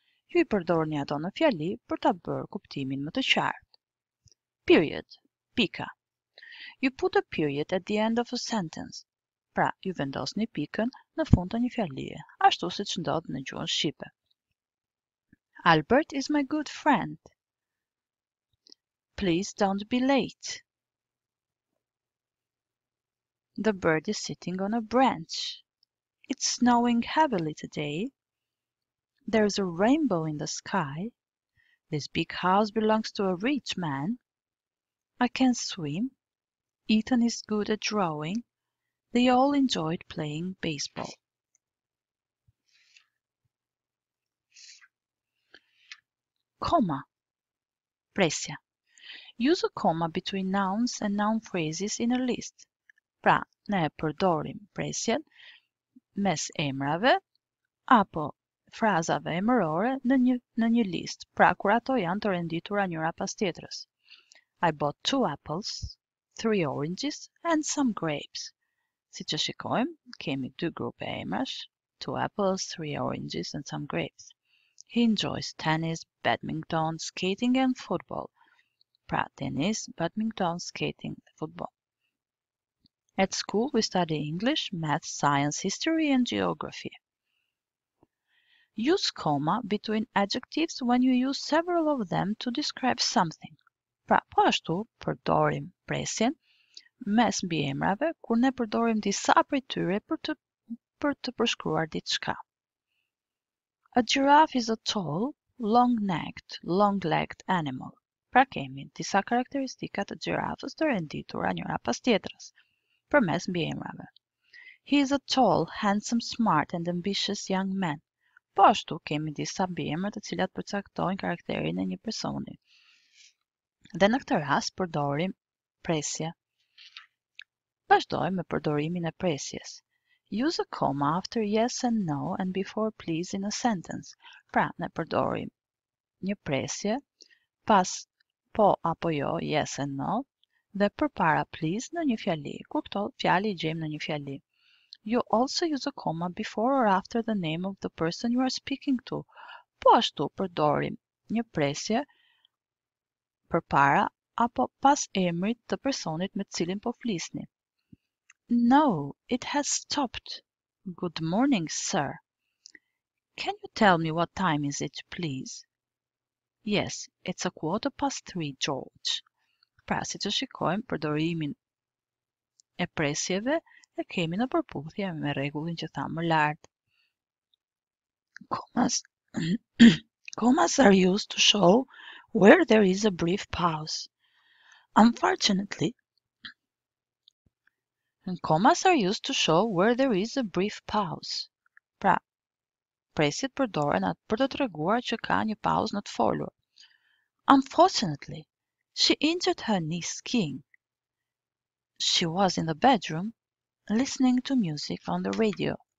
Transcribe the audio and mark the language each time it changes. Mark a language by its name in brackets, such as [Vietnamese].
[Albanian] Ju I përdorni ato në fjali për ta bërë kuptimin më të qartë. [English] Period, pika. You put a period at the end of a sentence. [Albanian] Pra, ju vendosni pikën në fund të një fjalie, ashtu siç ndodh në gjuhën shqipe. [English] Albert is my good friend. Please don't be late. The bird is sitting on a branch. It's snowing heavily today. There's a rainbow in the sky. This big house belongs to a rich man. I can swim. Ethan is good at drawing. They all enjoyed playing baseball. Comma. Presja. Use a comma between nouns and noun phrases in a list. [Albanian] Pra, ne përdorim presjen mes emrave apo frazave emërore në një list, pra kur ato janë të renditura njëra pas tjetrës. [English] I bought two apples, three oranges and some grapes. [Albanian] Si që shikojmë, kemi dy grupe emrash, [English] two apples, three oranges and some grapes. He enjoys tennis, badminton, skating and football. Pra, tennis, badminton, skating, football. At school, we study English, math, science, history and geography. Use comma between adjectives when you use several of them to describe something. [Albanian] Pra, po ashtu, përdorim presjen, mes mbi emrave, kur ne përdorim disa prej tyre për të përshkruar diçka. [English] A giraffe is a tall, long-necked, long-legged animal. [Albanian] Pra kemi disa karakteristika të gjirafës të renditura njëra pas tjetrës, për mes mbi emrave. [English] He is a tall, handsome, smart, and ambitious young man. [Albanian] Po ashtu kemi disa mbi emra të cilat përcaktojnë karakterin e një personi. Dhe në këtë rast përdorim presje. Vazhdojmë me përdorimin e presjes. [English] Use a comma after yes and no and before please in a sentence. [Albanian] Pra, ne përdorim një presje pas po apo jo, [English] yes and no, [Albanian] dhe përpara please në një fjali, kur këto fjali I gjejmë në një fjali. [English] You also use a comma before or after the name of the person you are speaking to. [Albanian] Po ashtu përdorim një presje përpara apo pas emrit të personit me cilin po flisni. [English] No, it has stopped. Good morning, sir. Can you tell me what time is it, please? Yes, it's a quarter past three, George. [Albanian] Pra, si që shikojmë, përdorimin e presjeve e kemi në përputhje me rregullin që thamë më lart. [English] Commas are used to show where there is a brief pause. Unfortunately, and commas are used to show where there is a brief pause. [Albanian] Pra, presjet përdoren atë për të treguar që ka një pauzë në të folur. [English] Unfortunately, she injured her knee skiing. She was in the bedroom listening to music on the radio.